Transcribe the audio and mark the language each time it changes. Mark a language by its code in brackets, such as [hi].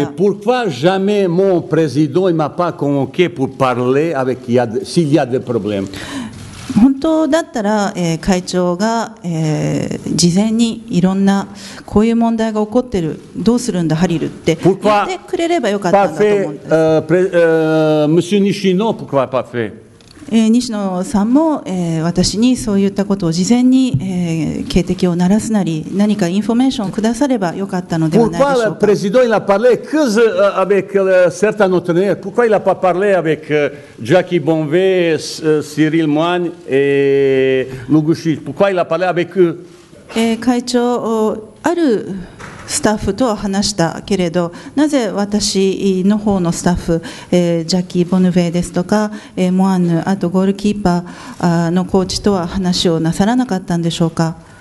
[fr] Mais pourquoi jamais mon président ne m'a pas convoqué pour parler avec s'il y a des problèmes? [ja] 本当だったら、会長が、事前にいろんなこういう問題が起こってる、どうするんだハリルって言ってくれればよかったんだと思うんです。 [fr] Monsieur Nishino, pourquoi pas fait? [ja] 西野さんも、私にそういったことを事前に、警笛を鳴らすなり何かインフォメーションをくださればよかったのではないでしょうか。 [fr] Pourquoi le président il a parlé que avec certains entraîneurs? Pourquoi il a pas parlé avec Jackie Bonvey, Cyril Moine et Luguchi? Pourquoi il a parlé avec eux? [ja] 会長あるスタッフとは話したけれど、なぜ私の方のスタッフ、ジャッキー・ボヌベイですとか、モアンヌ、あとゴールキーパーのコーチとは話をなさらなかったんでしょうか。